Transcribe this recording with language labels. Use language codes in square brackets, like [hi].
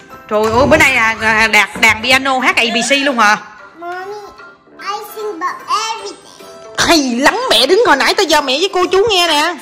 [vi] Trời ơi, bữa nay là đạt đàn piano hát ABC luôn hả? [en] Mommy, I sing about everything. [vi] Hay lắm, mẹ đứng hồi nãy tới giờ mẹ với cô chú nghe nè.